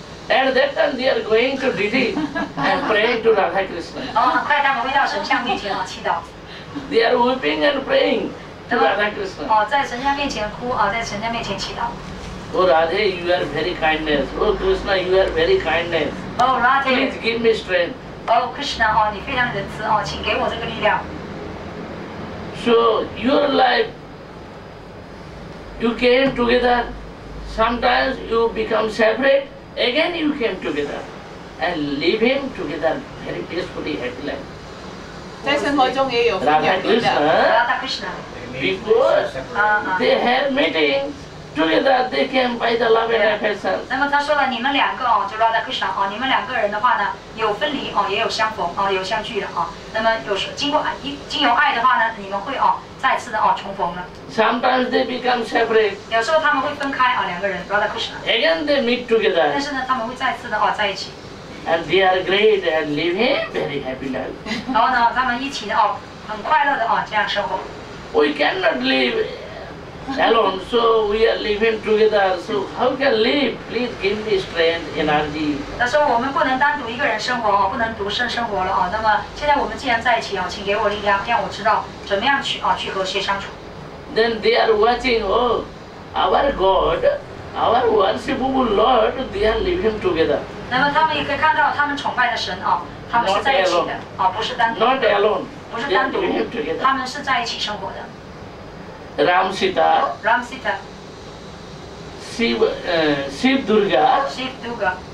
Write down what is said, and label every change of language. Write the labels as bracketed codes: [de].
[en] At that time, they are going to Didi and praying to Radha Krishna. [zh] 快他们回到神像面前祈祷。 [en] They are weeping and praying to Radha Krishna. [zh] 在神像面前哭在神像面前祈祷。 [en] Oh Radha, you are very kindness. Oh Krishna, you are very kindness. Oh Radha, please give me strength. [zh] Oh Krishna, 你非常仁慈请给我这个力量。 [en] So your life, you came together. Sometimes you become separate. Again you came together and leave him together very peacefully happy life. [zh] 在生活中也有分别的。 [en] Radha Krishna. Because they had meeting together, they came by the love and affection. [zh] 那么他说了，你们两个就 Radha Krishna 你们两个人的话呢，有分离也有相逢有相聚了那么有时经由爱的话呢，你们会再次的重逢了。 [en] Sometimes they become separate. [zh] 有时候他们会分开两个人 ，Radha Krishna. [en] Again they meet together. [zh] 但是呢，他们会再次的在一起。 [en] And they are great and live him very happy life. [zh] 然后呢，他们一起的很快乐的这样生活。 [en] We cannot live alone, so we are living together. So how can live? Please give me strength, energy. [zh] 他说我们不能单独一个人生活不能独身生活了那么现在我们既然在一起请给我力量，让我知道怎么样去和谐相处。 [en] Then they are watching. Oh, our God, our worshipable Lord, they are living together. [zh] 那么他们也可以看到他们崇拜的神他们是在一起的不是单独。 [en] Not alone. [zh] 不是单独。他们是在一起生活的。 [en] Ram Sita, Ram Sita, Shiv Durga, Shiv Durga,